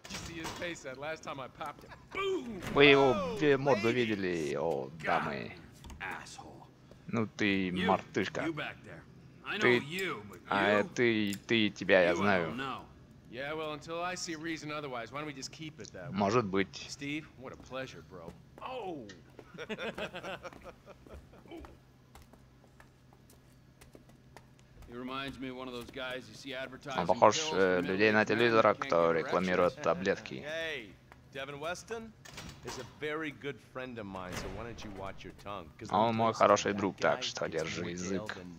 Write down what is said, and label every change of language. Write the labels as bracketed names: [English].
[English] You see his face that last time I popped him. Boom. [Russian] Вы его морду видели, о дамы. [English] Asshole. [Russian] Ну ты мартышка. [English] You back there. I know you. [Russian] А ты, ты, тебя я знаю. [English] Yeah, well, until I see reason otherwise, why don't we just keep it that way? [Russian] Может быть. [English] Steve, what a pleasure, bro. Oh! He reminds me of one of those guys you see advertising. [Russian] Он похож людей на телевизорах, кто рекламирует таблетки. [English] Hey, Devin Weston is a very good friend of mine, so why don't you watch your tongue? Because [Russian] он мой хороший друг, так что держи язык.